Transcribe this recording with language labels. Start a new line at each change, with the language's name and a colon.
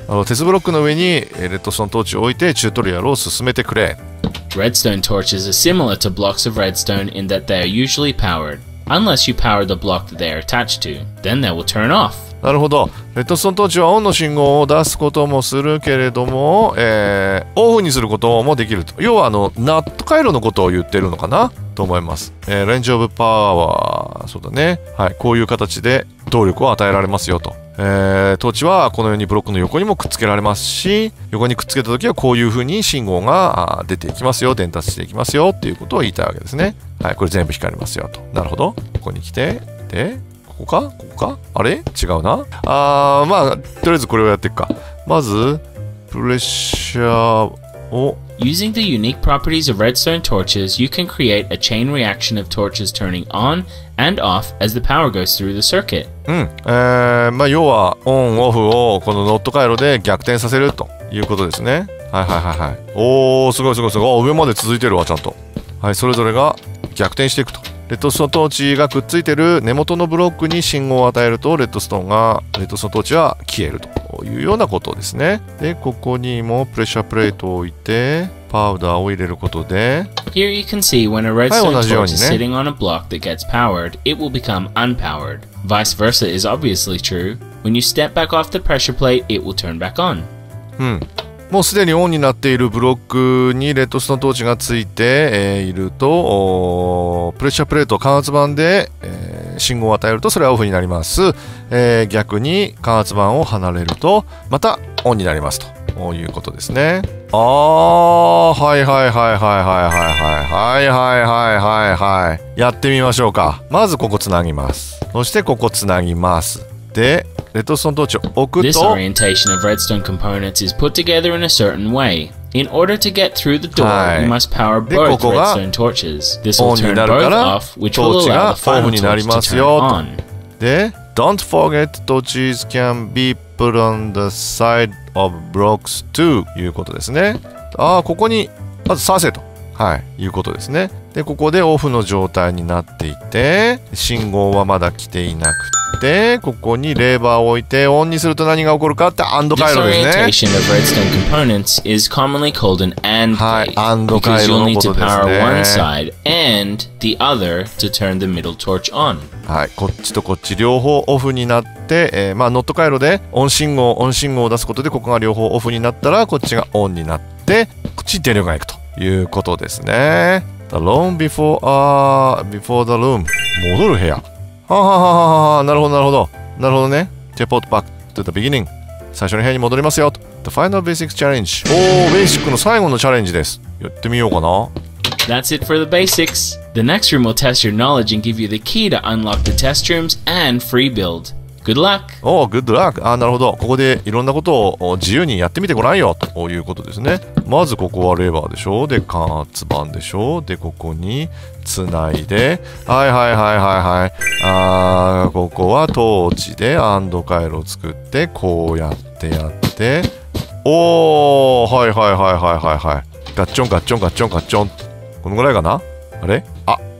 Japanese: 鉄ブロックの上にレッドストーントーチを置いてチュートリアルを進めてくれ。
English: Redstone torches are similar to blocks of redstone in that they are usually powered. Unless you power the block that they are attached to, then they will turn off.
Japanese: なるほど。レッドストーントーチはオンの信号を出すこともするけれども、オフにすることもできると。要はナット回路のことを言ってるのかなと思います。レンジオブパワーは、そうだね。はい、こういう形で動力を与えられますよと。トーチはこのようにブロックの横にもくっつけられますし、横にくっつけたときはこういうふうに信号が出ていきますよ、伝達していきますよっていうことを言いたいわけですね。はい、これ全部光りますよと。なるほど。ここに来て、で、ここか、ここか、あれ違うな。あー、まあ、とりあえずこれをやっていくか。まず、プレッシャー、お?
English: Using the unique properties of redstone torches, you can create a chain reaction of torches turning on and off as the power goes through the circuit.
Japanese: まあ要はオンオフをこのノット回路で逆転させるということですね。はいはいはいはい。おお、すごいすごいすごい。上まで続いてるわ、ちゃんと。はい、それぞれが逆転していくと。レッドストーントーチがくっついてる根元のブロックに信号を与えるとレッドストーンが、レッドストーントーチは消えるというようなことですね。で、ここにもプレッシャープレートを置いて、パウダーを入れることで、
English: Here you can see when a redstone torch is sitting on a block that gets powered, it will become unpowered. Vice versa is obviously true. When you step back off the pressure plate, it will turn back on.
Japanese: うん。もうすでにオンになっているブロックにレッドストーントーチがついていると、プレッシャープレート感圧板で信号を与えるとそれはオフになります。逆に感圧板を離れるとまたオンになりますということですね。ああ、はいはいはいはいはいはいはいはいはいはいはいはい、やってみましょうか。まずここつなぎます。そしてここつなぎます。で、レッドストーントーチを置くと、
English: This orientation of redstone components is put together in a certain way. In order to get through the door, you must power both redstone torches. This will turn both off, which will allow the final torch to turn on. で、 Don't forget torches can be put on the side of blocks too.
Japanese: いうことですね。あ、ここにまずさせと、はい、いうことですね。で、ここでオフの状態になっていて、信号はまだ来ていなくて、で、ここにレーバーを置いてオンにすると何が起こるかってアンド回路ですね。
English: Disorientation of redstone components is commonly called an AND gate.
Japanese: はい、アンド回路のことですね。
English: Because you'll need to power one side and the other to turn the middle torch on.
Japanese: はい、こっちとこっち両方オフになって、まあノット回路でオン信号、オン信号を出すことでここが両方オフになったらこっちがオンになってこっちに電流が行くということですね。
English: The room before, before the room.
Japanese: 戻る部屋。はあ、はあははあ、なるほどなるほどなるほどね。
English: Teleport back to the beginning。
Japanese: 最初の部屋に戻りますよと。
English: The final basic challenge。
Japanese: おー、ベーシックの最後のチャレンジです。やってみようかな。
English: That's it for the basics. The next room will test your knowledge and give you the key to unlock the test rooms and free build. Good luck. おー、good luck。
Japanese: あー、なるほど、ここでいろんなことを自由にやってみてごらんよということですね。まずここはレバーでしょ、で感圧板でしょ、でここにつないで、はいはいはいはいはい、あー、ここはトーチでアンド回路を作ってこうやってやって、おー、はいはいはいはいはいはい、ガッチョンガッチョンガッチョンガッチョン、このぐらいかな、あれ、あ、